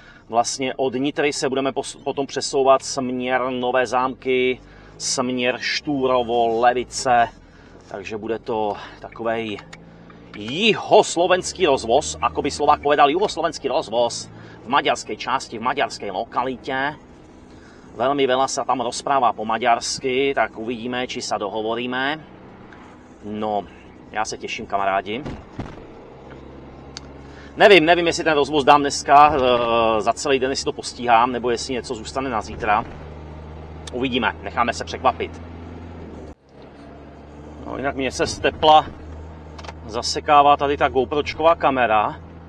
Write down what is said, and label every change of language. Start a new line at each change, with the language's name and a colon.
Czech: Vlastně od Nitry se budeme potom přesouvat směr Nové Zámky, směr Štúrovo, Levice, takže bude to takovej jihoslovenský rozvoz,
Slovak: ako by Slovák povedal,
Czech: jihoslovenský rozvoz v maďarskej části,
Slovak: v maďarskej lokalite. Veľmi veľa sa tam rozpráva po maďarsky, tak uvidíme, či sa dohovoríme. No, ja sa teším, kamarádi.
Czech: Nevím, jestli ten rozvoz dám dneska, za celý den si to postíhám, nebo jestli něco zůstane na zítra. Uvidíme, necháme se překvapit. No jinak mě se z tepla zasekává tady ta GoPročková kamera.